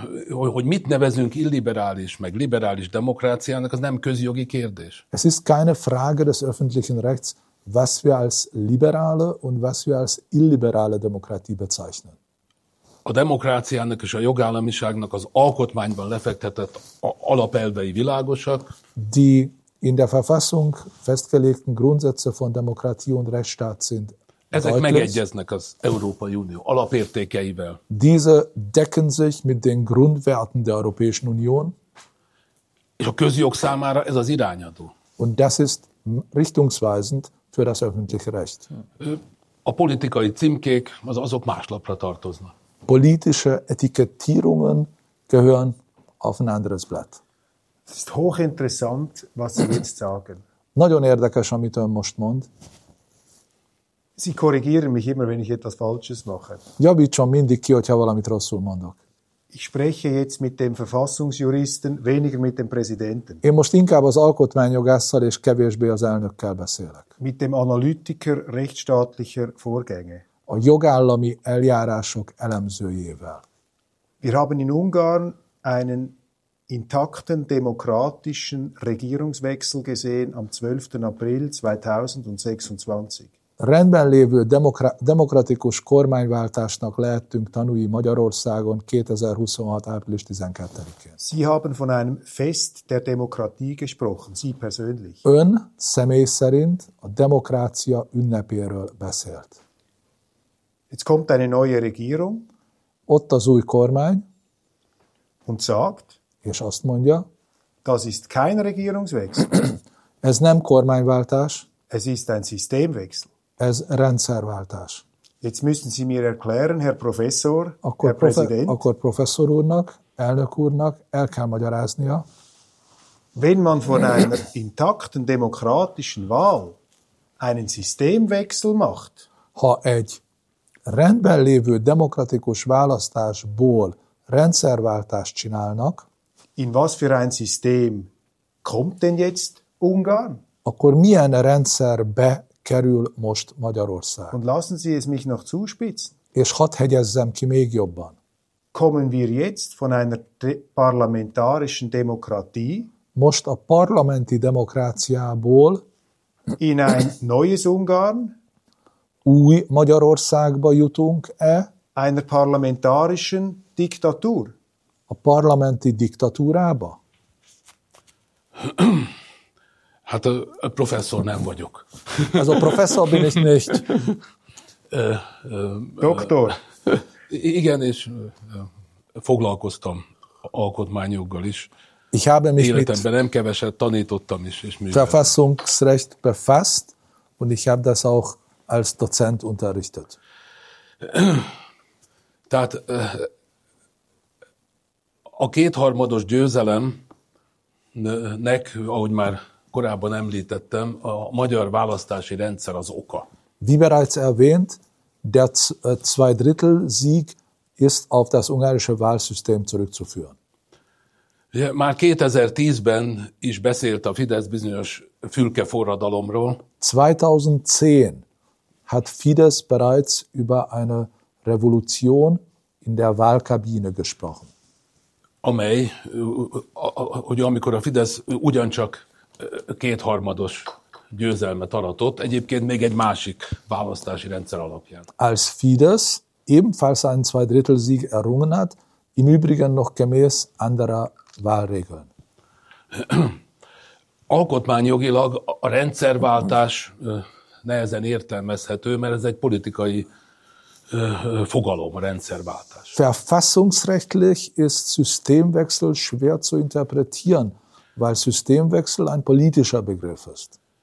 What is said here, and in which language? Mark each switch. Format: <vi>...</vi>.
<hu>Hogy mit nevezünk illiberális, meg liberális demokráciának, az nem közjogi kérdés.</hu> <de>Es ist keine Frage des öffentlichen Rechts, was wir als liberale und was wir als illiberale Demokratie bezeichnen.</de> <hu>A demokráciának és a jogállamiságnak az alkotmányban lefektetett alapelvei világosak.</hu> <de>Die in der Verfassung festgelegten Grundsätze von Demokratie und Rechtsstaat sind</de> <hu>ezek</hu> <de>deutlich.</de> <hu>Megegyeznek az Európai Unió alapértékeivel.</hu> <de>Diese decken sich mit den Grundwerten der Europäischen Union.</de> <hu>És a közjog számára ez az irányadó.</hu> <de>Und das ist richtungsweisend für das öffentliche Recht.</de> <hu>A politikai címkék azok más lapra tartoznak.</hu> <de>Politische Etikettierungen gehören auf ein anderes Blatt. Es ist hochinteressant, was Sie jetzt sagen.</de> <hu>Nagyon érdekes, amit ön most mond.</hu> <de>Sie korrigieren mich immer, wenn ich etwas Falsches mache.</de> <hu>Javítson mindig ki, hogyha valamit rosszul mondok.</hu> <de>Ich spreche jetzt mit dem Verfassungsjuristen, weniger mit dem Präsidenten.</de> <hu>Én most inkább az alkotmányjogásszal és kevésbé az elnökkel beszélek.</hu> <de>Mit dem Analytiker rechtsstaatlicher Vorgänge.</de> <hu>A jogállami eljárások elemzőjével.</hu> <de>Wir haben in Ungarn einen intakten demokratischen Regierungswechsel gesehen am 12. April 2026.</de> <hu>Rendben lévő demokratikus kormányváltásnak lehettünk tanúi Magyarországon 2026. április 12-én.</hu> <de>Sie haben von einem Fest der Demokratie gesprochen, Sie persönlich.</de> <hu>Ön személy szerint a demokrácia ünnepéről beszélt.</hu> <de>Jetzt kommt eine neue Regierung.</de> <hu>Ott az új kormány.</hu> <de>Und sagt.</de> <hu>És azt mondja.</hu> <de>Das ist kein Regierungswechsel.</de> <hu>Ez nem kormányváltás.</hu> <de>Es ist ein Systemwechsel.</de> <hu>Ez rendszerváltás.</hu> <de>Jetzt müssen Sie mir erklären, Herr Professor,</de> <hu>akkor</hu> <de>Herr Präsident.</de> <hu>Akkor professzor úrnak, elnök úrnak el kell magyaráznia.</hu> <de>Wenn man von einer intakten demokratischen Wahl einen Systemwechsel macht.</de> <hu>Ha egy rendben lévő demokratikus választásból rendszerváltást csinálnak,</hu> <de>in was für ein System kommt denn jetzt Ungarn?</de> <hu>Akkor milyen rendszerbe kerül most Magyarország.</hu> <de>Und lassen Sie es mich noch zuspitzen.</de> <hu>És hadd hegyezzem ki még jobban.</hu> <de>Kommen wir jetzt von einer parlamentarischen Demokratie?</de> <hu>Most a parlamenti demokráciából</hu> <de>in ein neues Ungarn?</de> <hu>Új Magyarországba jutunk-e?</hu> <de>Einer parlamentarischen Diktatur?</de> <hu>A parlamenti diktatúrába? Hát a professzor nem vagyok. Ez a professzor</hu> <de>bin ich nicht.</de> <hu>Doktor. Igen, és foglalkoztam alkotmányjoggal is.</hu> <de>Ich habe mich</de> <hu>életemben nem keveset tanítottam is. És</hu> <de>Verfassungsrecht befasst, und ich habe das auch als Dozent unterrichtet.</de> <hu>Tehát a kétharmados győzelemnek, ahogy már korábban említettem, a magyar választási rendszer az oka.</hu> <de>Wie bereits erwähnt, der Zweidrittelsieg ist auf das ungarische Wahlsystem zurückzuführen.</de> <hu>Már 2010-ben is beszélt a Fidesz bizonyos fülkeforradalomról.</hu> <de>2010 hat Fidesz bereits über eine Revolution in der Wahlkabine gesprochen.</de> <hu>Amely, hogy amikor a Fidesz ugyancsak kétharmados győzelmet aratott, egyébként még egy másik választási rendszer alapján.</hu> <de>Als Fidesz ebenfalls einen Zweidrittelsieg errungen hat, im Übrigen noch gemäß anderer Wahlregeln.</de> <hu>Alkotmányjogilag a rendszerváltás nehezen értelmezhető, mert ez egy politikai fogalom, a rendszerváltás.</hu> <de>Verfassungsrechtlich ist Systemwechsel schwer zu interpretieren, weil Systemwechsel ein politischer Begriff ist.</de>